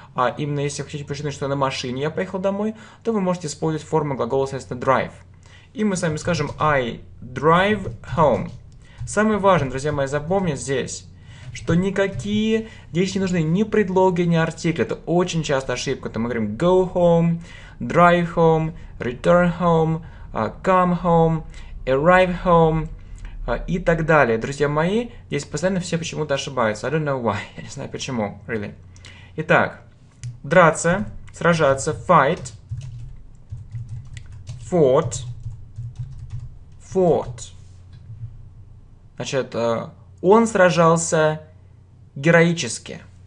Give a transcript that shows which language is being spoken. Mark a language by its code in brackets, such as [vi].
[ru] А именно если вы хотите подчеркнуть, что на машине я поехал домой, то вы можете использовать форму глагола, соответственно, drive. И мы с вами скажем [en] I drive home. [ru] Самое важное, друзья мои, запомнить здесь – что никакие, здесь не нужны ни предлоги, ни артикли. Это очень часто ошибка. То мы говорим [en] go home, drive home, return home, come home, arrive home [ru] и так далее. Друзья мои, здесь постоянно все почему-то ошибаются. [en] I don't know why. [ru] Я не знаю почему, [en] really. [ru] Итак, драться, сражаться, [en] fight, fought, fought. [ru] Значит, он сражался героически.